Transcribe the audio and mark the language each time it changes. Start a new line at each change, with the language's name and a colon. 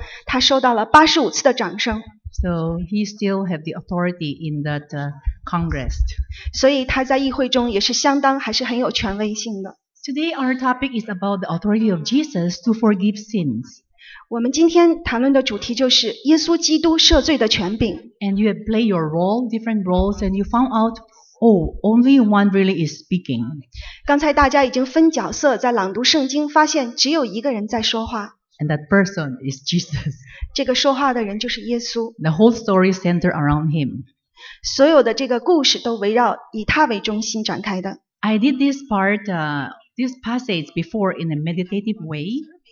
Chinese: 他的讲话持续91分钟，在这91分钟的过程当中，他收到了85次的掌声。
English: So he still have the authority in that Congress.
Chinese: 所以他在议会中也是相当还是很有权威性的。
English: Today our topic is about the authority of Jesus to forgive sins.
Chinese: 我们今天谈论的主题就是耶稣基督赦罪的权柄。
English: And you have played your role, different roles, and you found out, oh, only one really is speaking.
Chinese: 刚才大家已经分角色在朗读圣经，发现只有一个人在说话。
English: And that person is Jesus.
Chinese: 这个说话的人就是耶稣。
English: The whole story centered around him.
Chinese: 所有的这个故事都围绕以他为中心展开的。
English: I did this part, this passage before in a meditative way.